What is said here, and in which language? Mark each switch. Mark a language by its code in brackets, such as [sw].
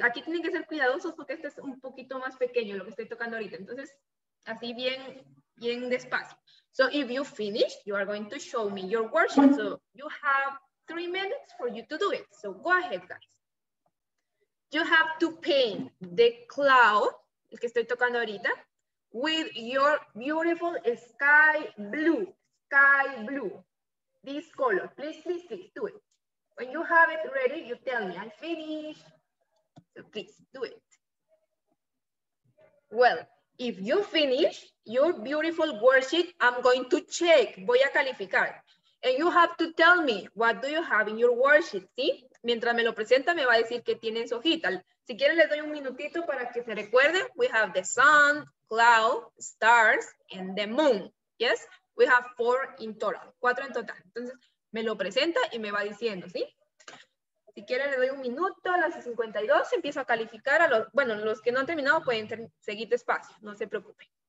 [es] Aquí tienen que ser cuidadosos porque este es un poquito más pequeño lo que estoy tocando ahorita. Entonces, así bien despacio. [en] So if you finish, you are going to show me your worksheet. So you have 3 minutes for you to do it. So go ahead, guys. You have to paint the cloud, [es] el que estoy tocando ahorita, [en] with your beautiful sky blue, this color. Please do it. When you have it ready, you tell me, I'm finished. So please do it. Well, if you finish your beautiful worksheet, I'm going to check, [es] voy a calificar. [en] And you have to tell me, what do you have in your worksheet, ¿sí? [es] Mientras me lo presenta, me va a decir que tiene en su hojita. Si quieren, les doy un minutito para que se recuerden. [en] We have the sun, cloud, stars, and the moon. Yes, we have four in total. [es] Cuatro en total. Entonces, me lo presenta y me va diciendo, ¿sí? Si quieren, les doy un minuto. A las 52, empiezo a calificar a los... Bueno, los que no han terminado pueden seguir despacio. No se preocupen.